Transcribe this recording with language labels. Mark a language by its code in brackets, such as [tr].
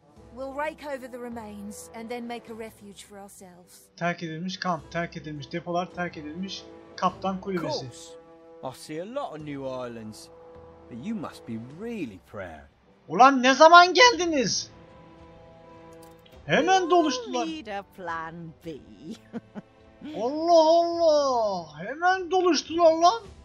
[en] We'll rake over the remains and then make a refuge for ourselves. [tr] Terk edilmiş kamp, terk edilmiş depolar, terk edilmiş kaptan kulübesi. [en] I see a lot of new islands, but you must be really proud. [tr] Ulan ne zaman geldiniz? Hemen doluştular. Allah Allah, hemen doluştular lan.